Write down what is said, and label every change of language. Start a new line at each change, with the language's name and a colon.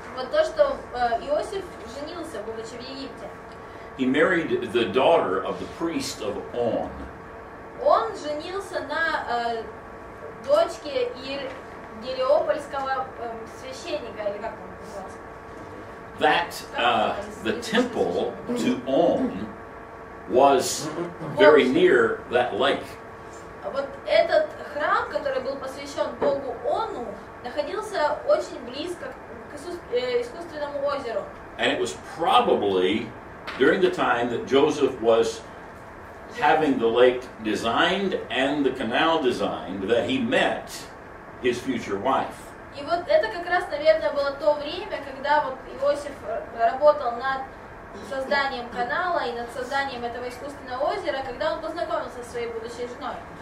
Russian: Вот то, что Иосиф женился, будучи в Египте.
English: He married the daughter of the priest of On.
Russian: Он женился на дочке Гелиопольского священника, или как он назывался.
English: That the temple to On was very near that lake.
Russian: Вот этот храм, который был посвящен Богу Ону, находился очень близко к искусственному озеру.
English: And it was probably during the time that Joseph was having the lake designed and the canal designed that he met his future wife.
Russian: И вот это как раз, наверное, было то время, когда вот Иосиф работал над созданием канала и над созданием этого искусственного озера, когда он познакомился со своей будущей женой.